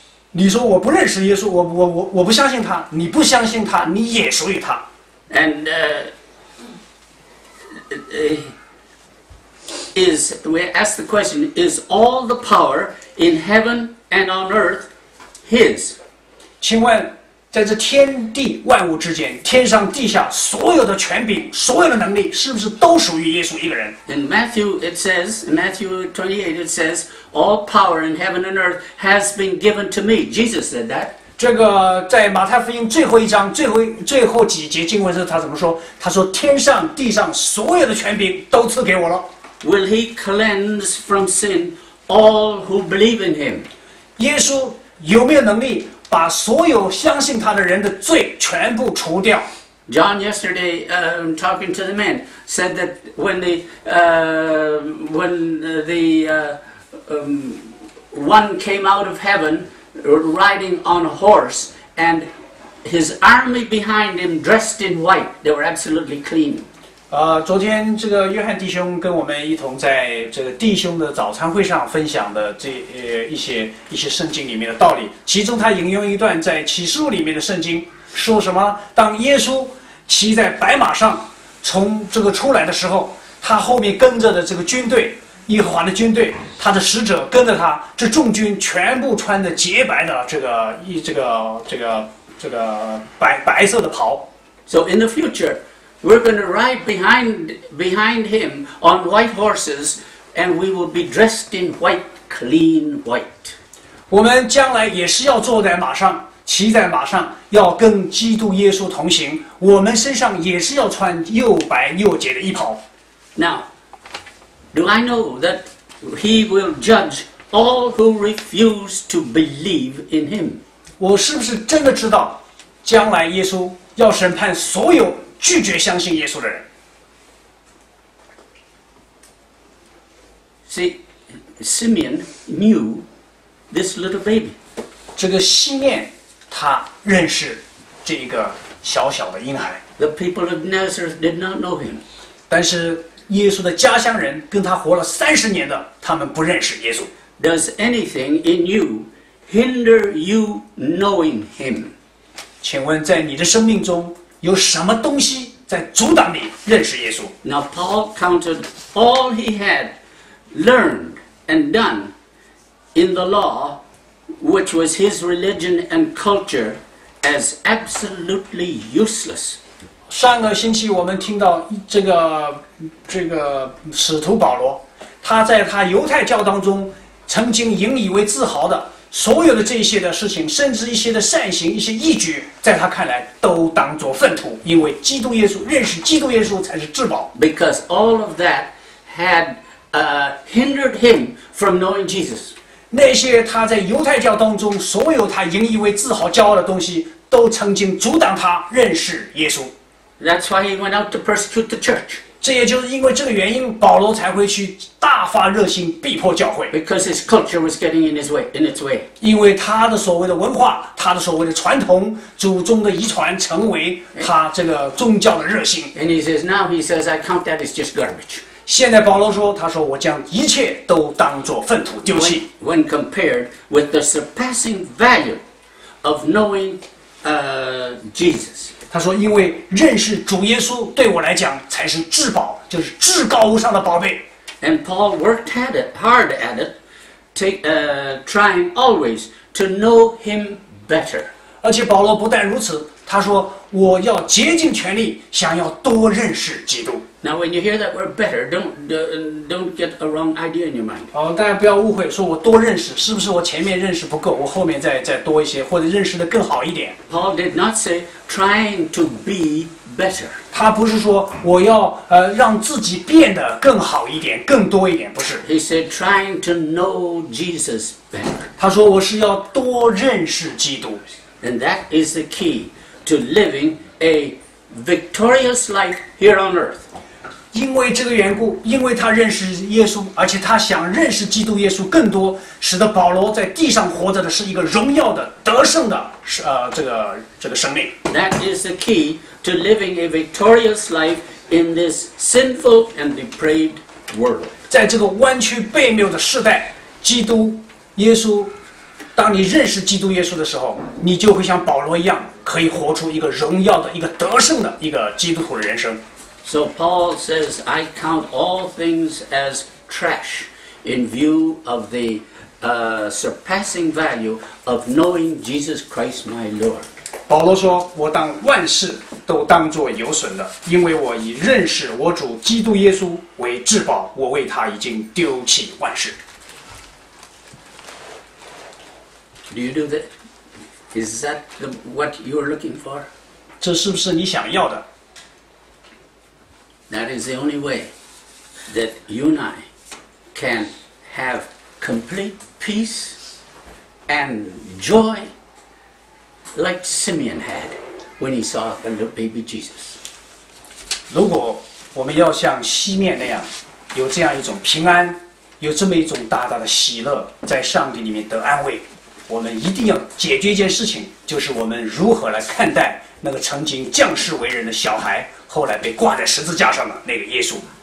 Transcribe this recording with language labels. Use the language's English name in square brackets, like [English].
[Chinese] 你说我不认识耶稣，我不相信他，你不相信他，你也属于他。 [English] And is we ask the question: Is all the power in heaven and on earth His？ [Chinese] 请问。在这天地万物之间，天上地下所有的权柄、所有的能力，是不是都属于耶稣一个人 [English] ？In Matthew it says, Matthew 28 it says, all power in heaven and earth has been given to me. Jesus said that. [Chinese] 这个在马太福音最后一章最后几节经文是他怎么说？他说：“天上地上所有的权柄都赐给我了。” [English] Will he cleanse from sin all who believe in him? [Chinese] 耶稣有没有能力？把所有相信他的人的罪全部除掉。 [English] John yesterday, talking to the men, said that when the one came out of heaven, riding on a horse, and His army behind him dressed in white. They were absolutely clean. [Chinese] 昨天这个约翰弟兄跟我们一同在这个弟兄的早餐会上分享的这、一些圣经里面的道理，其中他引用一段在启示录里面的圣经，说什么？当耶稣骑在白马上从这个出来的时候，他后面跟着的这个军队，耶和华的军队，他的使者跟着他，这众军全部穿着洁白的这个白色的袍。 [English] So in the future. We're going to ride behind him on white horses, and we will be dressed in white, clean white. [Chinese] 我们将来也是要坐在马上，骑在马上，要跟基督耶稣同行。我们身上也是要穿又白又洁的衣袍。 [English] Now, do I know that he will judge all who refuse to believe in him? [Chinese] 我是不是真的知道，将来耶稣要审判所有拒绝相信耶稣的人。 [English] See, Simeon knew this little baby. [Chinese] 这个西面他认识这一个小小的婴孩。 [English] The people of Nazareth did not know him. [Chinese] 但是耶稣的家乡人跟他活了30年的，他们不认识耶稣。 [English] Does anything in you hinder you knowing him? [Chinese] 请问在你的生命中有什么东西在阻挡你认识耶稣？ [English] Now Paul counted all he had learned and done in the law, which was his religion and culture, as absolutely useless. [Chinese] 上个星期我们听到这个使徒保罗，他在他犹太教当中曾经引以为自豪的所有的这些的事情，甚至一些的善行、一些义举，在他看来都当作粪土，因为基督耶稣，认识基督耶稣才是至宝。 [English] Because all of that had hindered him from knowing Jesus. [Chinese] 那些他在犹太教当中所有他引以为自豪、骄傲的东西，都曾经阻挡他认识耶稣。 [English] That's why he went out to persecute the church. [Chinese] 这也就是因为这个原因，保罗才会去大发热心逼迫教会。 [English] Because his culture was getting in its way. [Chinese] 因为他的所谓的文化，他的所谓的传统，祖宗的遗传，成为他这个宗教的热心。 [English] And he says, now he says, I count that as just garbage. [Chinese] 现在保罗说，他说我将一切都当作粪土丢弃。 [English] When compared with the surpassing value of knowing Jesus. [Chinese] 他说因为认识主耶稣对我来讲才是至宝，就是至高无上的宝贝。 [English] And Paul worked hard at it, trying always to know him better. [Chinese] 而且保罗不但如此，他说我要竭尽全力想要多认识基督。 [English] Now when you hear that word better, don't get a wrong idea in your mind. [Chinese] 大家不要误会，说我多认识，是不是我前面认识不够，我后面再多一些，或者认识得更好一点。 [English] Paul did not say trying to be better. [Chinese] 他不是说我要让自己变得更好一点，更多一点，不是。 [English] He said trying to know Jesus better. [Chinese] 他说我是要多认识基督。 [English] And that is the keyTo living a victorious life here on earth. [Chinese] 因为这个缘故，因为他认识耶稣，而且他想认识基督耶稣更多，使得保罗在地上活着的是一个荣耀的、得胜的，这个生命。 [English] That is the key to living a victorious life in this sinful and depraved world. [Chinese] 在这个弯曲悖谬的时代，基督耶稣，当你认识基督耶稣的时候，你就会像保罗一样。可以活出一个荣耀的、一个得胜的、一个基督徒的人生。 [English] So Paul says, I count all things as trash in view of the surpassing value of knowing Jesus Christ my Lord. [Chinese] 保罗说，我当万事都当作有损的，因为我以认识我主基督耶稣为至宝，我为他已经丢弃万事。 [English] Do you do that? Is that what you're looking for? [Chinese] 这是不是你想要的？ [English] That is the only way that you and I can have complete peace and joy like Simeon had when he saw the little baby Jesus. [Chinese] 如果我们要像西面那样，有这样一种平安，有这么一种大大的喜乐，在上帝里面得安慰。我们一定要解决一件事情，就是我们如何来看待那个曾经降世为人的小孩，后来被挂在十字架上的那个耶稣。